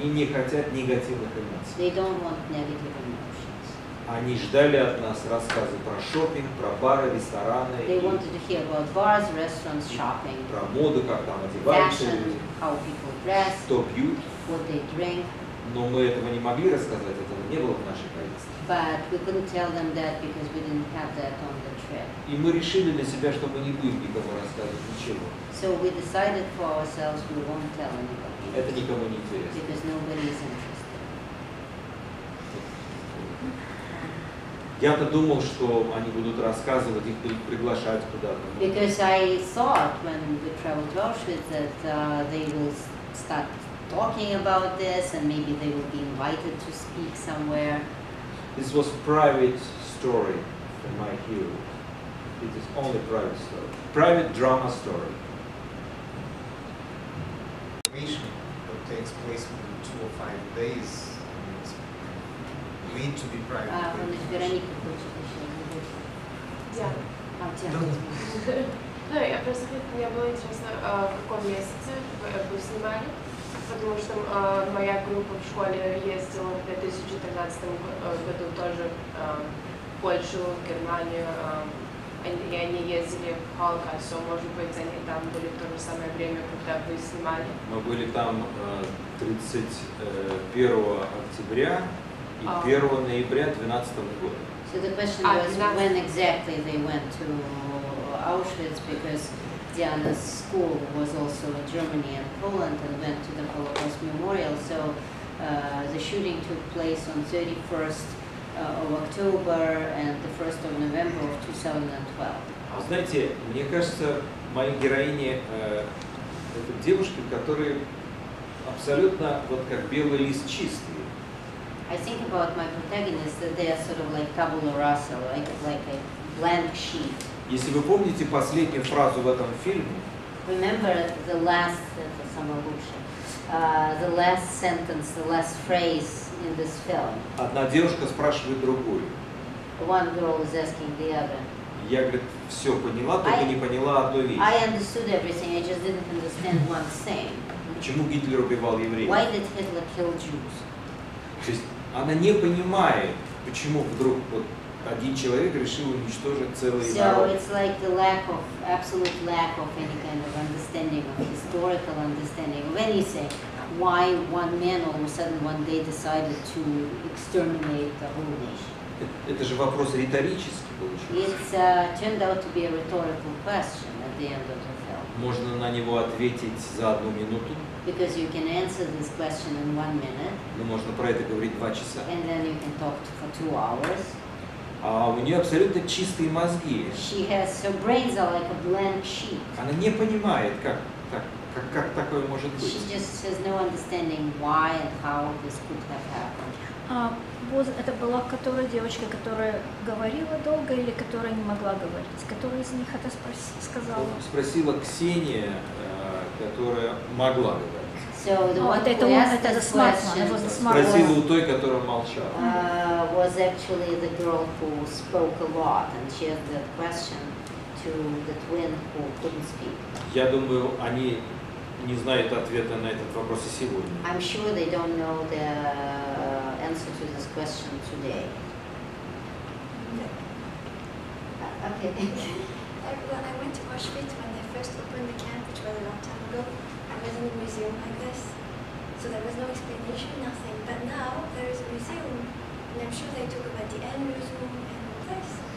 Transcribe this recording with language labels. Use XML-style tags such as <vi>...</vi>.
<ru>Они не хотят негативных эмоций.</ru> <en>They don't want negative emotions.</en> <ru>Они ждали от нас рассказы про шопинг, про бары, рестораны.</ru> <en>They wanted to hear about bars, restaurants, shopping.</en> <ru>Про моду, как там одеваются люди.</ru> <en>How people dress.</en> <ru>Что пьют.</ru> <en>What they drink.</en> <ru>Но мы этого не могли рассказать, этого не было в нашей поездке.</ru> <en>But we couldn't tell them that because we didn't have that on the trip.</en> <ru>И мы решили для себя, что мы не будем никому рассказывать ничего.</ru> <en>So we decided for ourselves we won't tell anybody.</en> <ru>Это никому не интересно.</ru> <en>Because nobody is interested.</en> <ru>Я-то думал, что они будут рассказывать, их будут приглашать куда-то.</ru> <en>Because I thought when we traveled to Auschwitz that they will start talking about this, and maybe they will be invited to speak somewhere. This was a private story for my hero. It is only private story. Private drama story. Information that takes place within 2 or 5 days is made to be private.</en> <ru>Потому что моя группа в школе ездила в 2013 году тоже в Польшу, в Германию, и они ездили в Холокост, so, может быть, они там были в то же самое время, когда вы снимали. Мы были там 31 октября и 1 ноября 2012 года.</ru> <en>So the question was, when exactly they went to Auschwitz, because Diana's school was also in Germany and Poland and went to the Holocaust Memorial. So the shooting took place on 31st of October and the 1st of November of 2012.</en> <ru>Знаете, мне кажется, мои героини это девушки, которые абсолютно вот как белый лист чистые.</ru> <en>I think about my protagonists that they are sort of like tabula rasa, like a blank sheet.</en> <ru>Если вы помните последнюю фразу в этом фильме,</ru> <en>remember the last phrase in this film.</en> <ru>Одна девушка спрашивает другую.</ru> <en>One girl is asking the other.</en> <ru>Я, говорит, все поняла, только не поняла одну вещь.</ru> <en>I understood everything, I just didn't understand one thing.</en> <ru>Почему Гитлер убивал евреев?</ru> <en>Why did Hitler kill Jews?</en> <ru>То есть она не понимает, почему вдруг вот один человек решил уничтожить целый народ.</ru> <en>So it's like the lack of, absolute lack of any kind of understanding, of historical understanding of anything. Why one man all of a sudden one day decided to exterminate the whole nation?</en> <ru>Это же вопрос риторический получился.</ru> <en>It turned out to be a rhetorical question at the end of the film.</en> <ru>Можно на него ответить за одну минуту.</ru> <en>Because you can answer this question in one minute.</en> <ru>Но можно про это говорить два часа.</ru> <en>And then you can talk for two hours.</en> <ru>А у нее абсолютно чистые мозги.</ru> <en>She has, her brains are like a blank sheet.</en> <ru>Она не понимает, как такое может быть.</ru> <en>She just has no understanding why and how this could have happened.</en> <ru>Вот это была которая девочка, которая говорила долго или которая не могла говорить? Которая из них это сказала? Спросила Ксения, которая могла говорить.</ru> <en>So the one who asked the question,</en> <ru>спросила у той, которая молчала.</ru> <en>Was actually the girl who spoke a lot, and she had that question to the twin who couldn't speak.</en> <ru>Я думаю, они не знают ответа на этот вопрос и сегодня.</ru> <en>I'm sure they don't know the answer to this question today. Yeah. Okay. When I went to Auschwitz, when they first opened the camp, which was a long time ago, I was in a museum like this. So there was no explanation, nothing. But now there is a museum, and I'm sure they talk about the end museum and all this.</en>